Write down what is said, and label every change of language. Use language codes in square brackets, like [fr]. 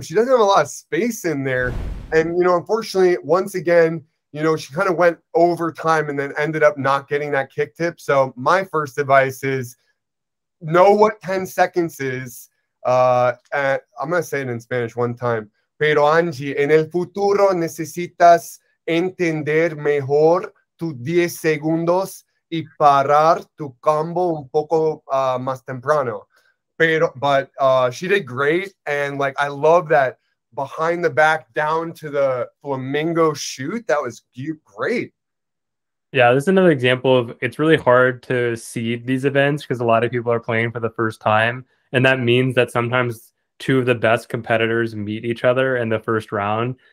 [en] She doesn't have a lot of space in there. And, you know, unfortunately, once again, you know, she kind of went over time and then ended up not getting that kick tip. So my first advice is know what 10 seconds is. I'm going to say it in Spanish one time. [es] Pero Angie, en el futuro necesitas entender mejor tus 10 segundos y parar tu combo un poco más temprano. [en] But she did great. And like, I love that behind the back down to the flamingo shoot. That was great. Yeah, this is another example of it's really hard to seed these events because a lot of people are playing for the first time. And that means that sometimes two of the best competitors meet each other in the first round.